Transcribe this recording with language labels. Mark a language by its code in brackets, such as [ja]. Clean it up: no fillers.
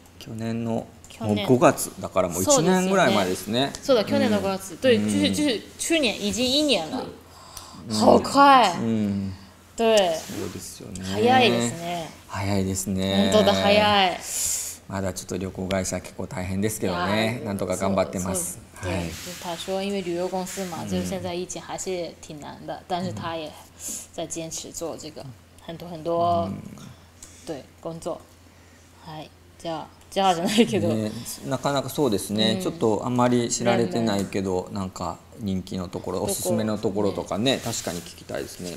[ja] 去年のもう5月だからもう1年ぐらい前ですね。そうだ、去年の5月。 [zh] 对，去年已经一年了。好快。对。 [ja] そうですよね。早いですね。早いですね。本当だ早い。まだちょっと旅行会社結構大変ですけどね。なんとか頑張ってます。 [zh] 对，他说因为旅游公司嘛，就现在疫情还是挺难的，但是他也在坚持做这个很多很多对工作。 [ja] はい、じゃあ。じゃあじゃないけど、ね、なかなかそうですね、うん、ちょっとあまり知られてないけど、ね、なんか人気のところおすすめのところとか ね確かに聞きたいですね。